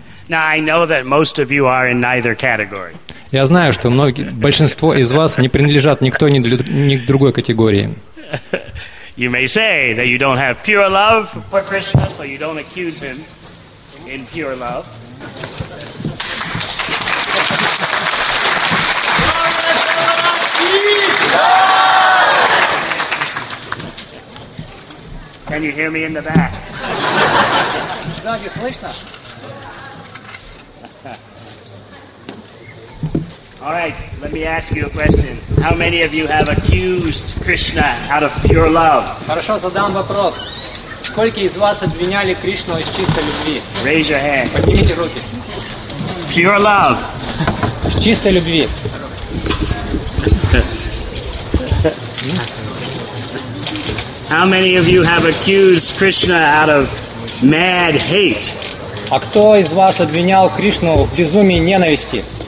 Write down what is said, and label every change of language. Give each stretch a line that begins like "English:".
English: Now I know that most of you are in neither category.
Russian: Я знаю, что многие, большинство из вас не принадлежат никто ни к другой категории.
English: You may say that you don't have pure love for Krishna, so you don't accuse him in pure love. Can you hear me in the back? All right, let me ask you a question. How many of you have accused Krishna out of pure love?
Russian: Хорошо, задам вопрос. Сколько из вас обвиняли Кришну из чистой любви?
English: Raise your hand.
Russian: Поднимите руки.
English: Pure love.
Russian: Из чистой любви.
English: How many of you have accused Krishna out of mad hate?
Russian: А кто из вас обвинял Кришну в безумии ненависти?